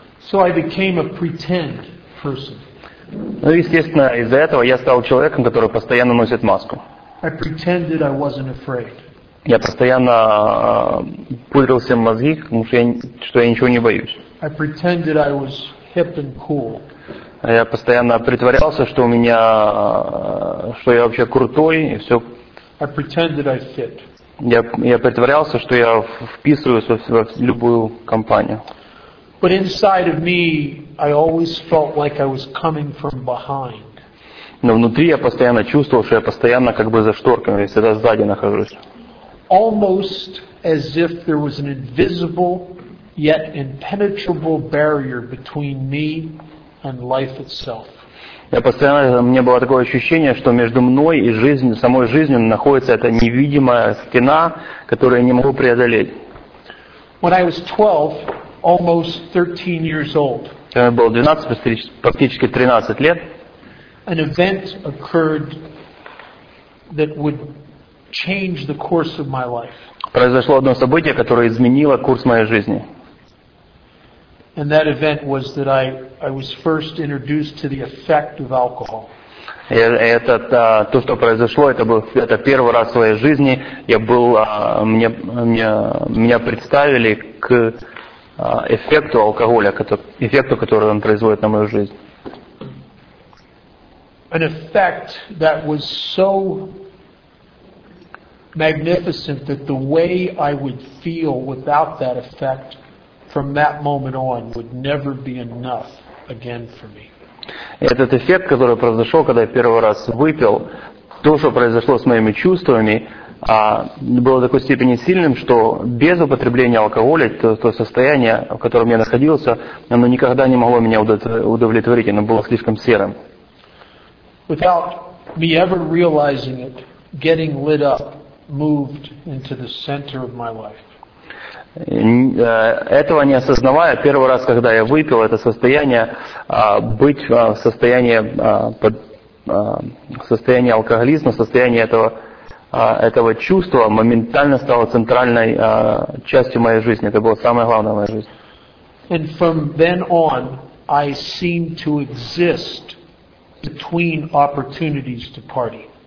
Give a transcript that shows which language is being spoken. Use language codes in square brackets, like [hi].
[en] So I became a pretend person. [ru] Ну, естественно, из-за этого я стал человеком, который постоянно носит маску. [en] I pretended I wasn't afraid. [ru] Я постоянно пудрил себе мозги, потому что я ничего не боюсь. [en] I pretended I was hip and cool. [ru] Я постоянно притворялся, что у меня, что я вообще крутой и все. [en] I pretended I fit. [ru] Я притворялся, что я вписываюсь во любую компанию. [en] But inside of me, I always felt like I was coming from behind. [ru] Но внутри я постоянно чувствовал, что я постоянно как бы за шторками, я всегда сзади нахожусь. [en] Almost as if there was an invisible yet impenetrable barrier between me and life itself. [ru] Я постоянно, у меня было такое ощущение, что между мной и жизнью, самой жизнью находится эта невидимая стена, которую я не могу преодолеть. [en] When I was 12, almost 13 years old. [ru] Когда мне было 12, практически 13 лет. [en] An event occurred that would change the course of my life. [ru] Произошло одно событие, которое изменило курс моей жизни. [en] And that event was that I was first introduced to the effect of alcohol. [ru] То, что произошло, это первый раз в своей жизни я был, меня представили к эффекту алкоголя, эффекту, который он производит на мою жизнь. [en] An effect that was so magnificent that the way I would feel without that effect from that moment on would never be enough again for me. [ru] Этот эффект, который произошел, когда я первый раз выпил, то, что произошло с моими чувствами, было такой степени сильным, что без употребления алкоголя то состояние, в котором я находился, оно никогда не могло меня удовлетворить, оно было слишком серым. [en] Without me ever realizing it, getting lit up moved into the center of my life. [ru] Этого не осознавая, первый раз, когда я выпил, это состояние быть в состоянии под состоянии алкоголизма, состояние этого чувства моментально стало центральной частью моей жизни. Это было самое главное в моей жизни. [en] And from then on, I seemed to exist between opportunities to party.